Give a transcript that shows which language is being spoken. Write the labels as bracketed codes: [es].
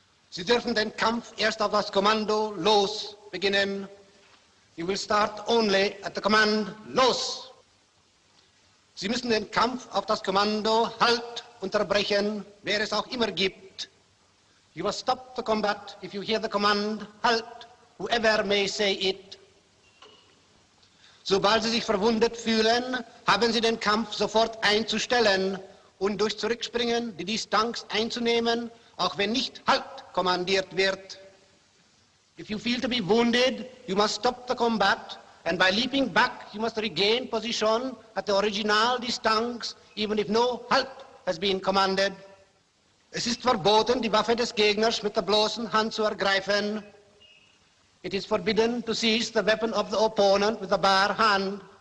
[de] Sie dürfen den Kampf erst auf das Kommando los beginnen. [en] You will start only at the command los. [de] Sie müssen den Kampf auf das Kommando halt unterbrechen, wer es auch immer gibt. [en] You will stop the combat if you hear the command halt, whoever may say it. [de] Sobald Sie sich verwundet fühlen, haben Sie den Kampf sofort einzustellen und durch Zurückspringen die Distanz einzunehmen, auch wenn nicht Halt kommandiert wird. [en] If you feel to be wounded, you must stop the combat, and by leaping back, you must regain position at the original Distanz, even if no Halt has been commanded. [de] Es ist verboten, die Waffe des Gegners mit der bloßen Hand zu ergreifen. [en] It is forbidden to seize the weapon of the opponent with a bare hand.